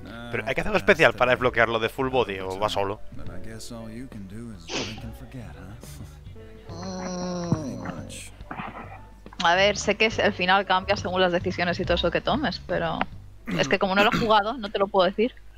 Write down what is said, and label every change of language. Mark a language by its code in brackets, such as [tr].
[es] Pero hay que hacer algo especial para desbloquearlo de full body, ¿o va solo? [en] But I guess all you can do is drink and forget, huh? Pretty much. [es] A ver, sé que al final cambia según las decisiones y todo eso que tomes, pero... Es que como no lo he jugado, no te lo puedo decir.